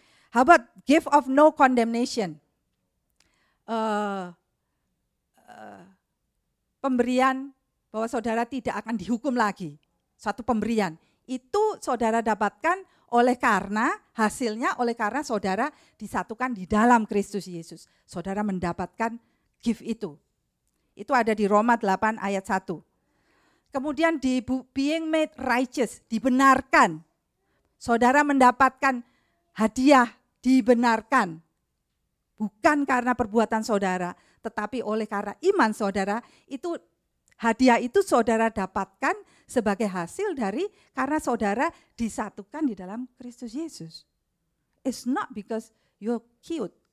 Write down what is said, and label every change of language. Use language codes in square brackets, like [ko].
[en] How about gift of no condemnation? [id] Pemberian bahwa saudara tidak akan dihukum lagi. Suatu pemberian. Itu saudara dapatkan oleh karena, hasilnya oleh karena saudara disatukan di dalam Kristus Yesus. Saudara mendapatkan gift itu. Itu ada di Roma 8 ayat 1. Kemudian di [en] being made righteous, [id] dibenarkan. Saudara mendapatkan hadiah, dibenarkan. Bukan karena perbuatan saudara, tetapi oleh karena iman saudara, itu hadiah itu saudara dapatkan sebagai hasil dari karena saudara disatukan di dalam Kristus Yesus. [en] It's not because you're cute.